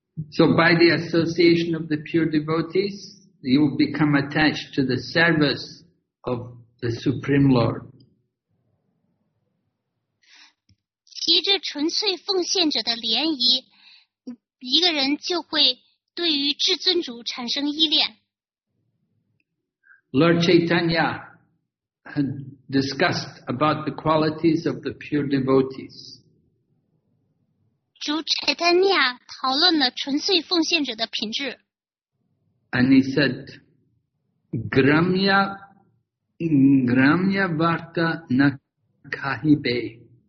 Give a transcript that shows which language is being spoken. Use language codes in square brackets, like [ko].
[en] So by the association of the pure devotees, you will become attached to the service of the Supreme Lord. [zh] 随着纯粹奉献者的联谊，一个人就会对于至尊主产生依恋。Lord [en] Chaitanya had discussed about the qualities of the pure devotees. [zh] 主 Chaitanya 讨论了纯粹奉献者的品质。 [en] And he said, [bn] Gramya, Gramya Varta na kahibe.